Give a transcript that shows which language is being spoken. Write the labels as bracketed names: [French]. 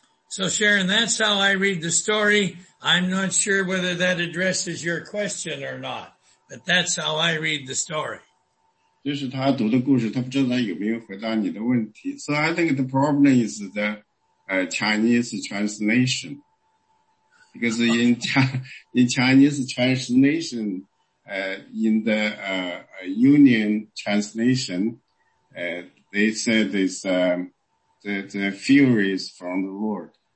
[English] So Sharon, that's how I read the story. I'm not sure whether that addresses your question or not, but that's how I read the story. [Chinese] 就是他读的故事，他不知道有没有回答你的问题。 [English] So I think the problem is the Chinese translation. Because in Chinese translation, in the Union translation, they said it's the fury is from the Lord.